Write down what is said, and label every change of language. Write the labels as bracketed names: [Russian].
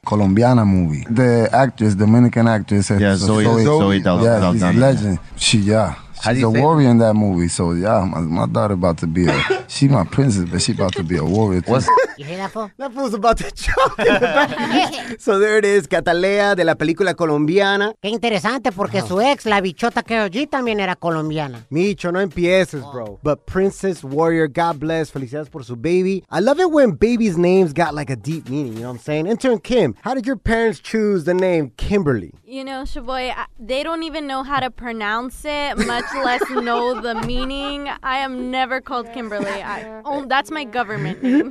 [English] Colombiana movie. The actress, Dominican actress. Yeah, Zoe Dalton. Yeah, she's a legend. She's a warrior in that movie, so yeah, my daughter about to be a, she my princess, but she about to be a warrior too. You hear that, fool? That fool's about to choke in the back. So there it is, Cataleya [Spanish] de la película colombiana. Qué interesante, porque su ex, la bichota Karol G, también era colombiana. [English] Micho, [Spanish] no empieces, [English] bro. But princess, warrior, God bless, [Spanish] felicidades por su [English] baby. I love it when babies' names got like a deep meaning, you know what I'm saying? Intern Kim, how did your parents choose the name Kimberly? You know, Shaboy, they don't even know how to pronounce it, much less know the meaning. I am never called Kimberly. That's my government name.